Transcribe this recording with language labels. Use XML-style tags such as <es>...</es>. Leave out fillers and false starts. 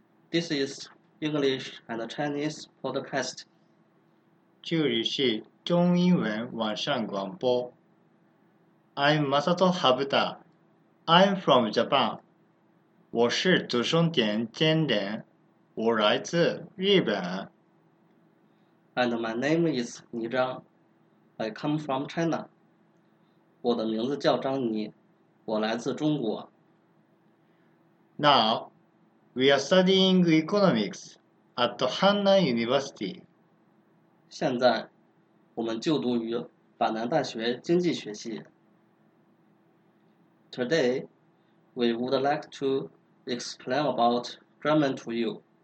<en>This is English and Chinese podcast.</en> <zh>这里是中英文网上广播。</zh> <en>I'm Masato Habuta. I'm from Japan.</en> <zh>我是祖孙点兼人，我来自日本。</zh> <en>And my name is 倪张 ，I come from China.</en> <zh>我的名字叫张倪，我来自中国。</zh> <en>Now, we are studying economics at Hanan University.</en> <zh>现在，我们就读于阪南大学经济学系。</zh> <en>Today, we would like to explain about German to you.</en>